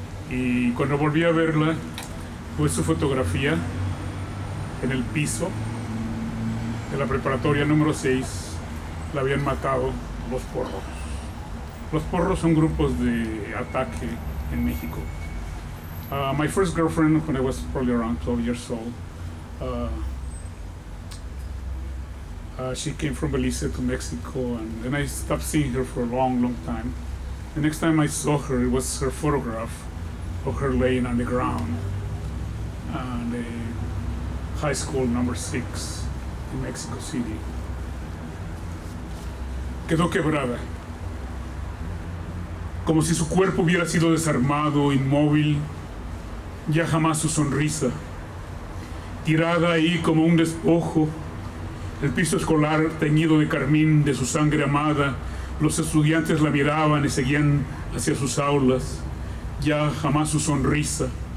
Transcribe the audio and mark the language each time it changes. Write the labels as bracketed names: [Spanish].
[Spanish] Y cuando volví a verla, fue su fotografía en el piso de la preparatoria número 6. La habían matado los porros. Los porros son grupos de ataque en México. [English] My first girlfriend, when I was probably around 12 years old, she came from Belize to Mexico, and then I stopped seeing her for a long, long time. The next time I saw her, it was her photograph of her laying on the ground on the high school number 6 in Mexico City. [Spanish] Quedó quebrada. Como si su cuerpo hubiera sido desarmado, inmóvil, ya jamás su sonrisa. Tirada ahí como un despojo, el piso escolar teñido de carmín de su sangre amada, los estudiantes la miraban y seguían hacia sus aulas, ya jamás su sonrisa.